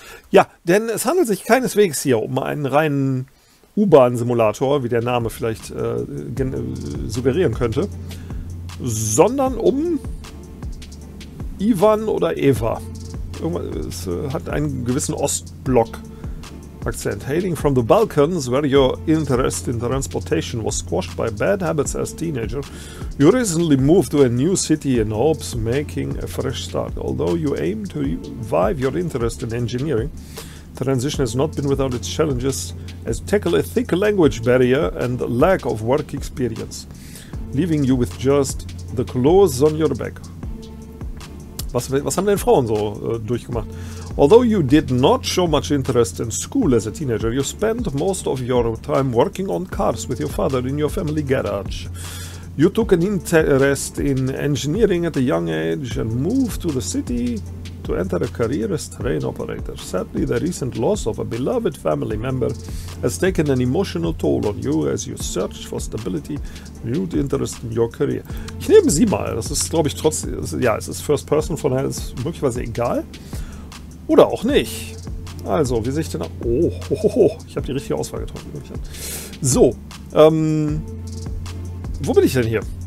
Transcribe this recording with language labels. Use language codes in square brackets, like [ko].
[de] Ja, denn es handelt sich keineswegs hier um einen reinen U-Bahn-Simulator, wie der Name vielleicht suggerieren könnte, sondern um Ivan oder Eva. Es hat einen gewissen Ostblock-Akzent. [en] Hailing from the Balkans, where your interest in transportation was squashed by bad habits as teenager, you recently moved to a new city in hopes making a fresh start. Although you aim to revive your interest in engineering, transition has not been without its challenges, as tackle a thick language barrier and lack of work experience, leaving you with just the clothes on your back. [de] Was haben denn Frauen so durchgemacht? [en] Although you did not show much interest in school as a teenager, you spent most of your time working on cars with your father in your family garage. You took an interest in engineering at a young age and moved to the city to enter a career as train operator. Sadly, the recent loss of a beloved family member has taken an emotional toll on you as you search for stability and renewed interest in your career. [de] Ich nehme sie mal. Das ist, glaube ich, trotzdem, ja, es ist First Person, von daher ist möglicherweise egal. Oder auch nicht. Also, wie sehe ich denn... ich habe die richtige Auswahl getroffen. So, wo bin ich denn hier?